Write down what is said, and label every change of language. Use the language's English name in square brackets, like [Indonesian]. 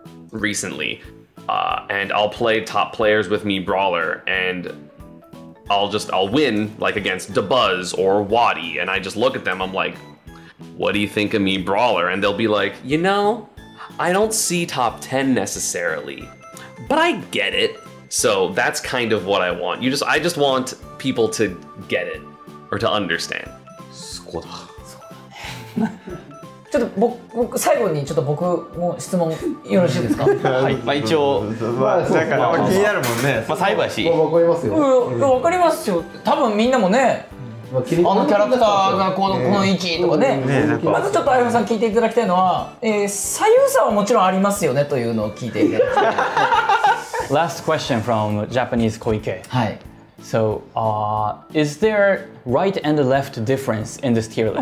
[English] Recently, and I'll play top players with Mii Brawler, and I'll win like against DaBuzz or Wadi, and I just look at them. I'm like, "What do you think of Mii Brawler?" And they'll be like, "You know, I don't see top 10 necessarily, but I get it." So that's kind of what I want. I just want people to get it or to understand. Squad. [Japanese] ちょっと僕最後にちょっと僕も質問よろしいですか。はい、まあ一応まあだから気になるもんね。まあ最後やし。わかりますよ。わかりますよ。多分みんなもね、あのキャラクターがこの位置とかね。まずちょっとあやふさん聞いていただきたいのは、左右差はもちろんありますよねというのを聞いていただきたい。 [English] Last question from Japanese 小池。 [Japanese] はい。 [English] So, is there right and left difference in this tier list?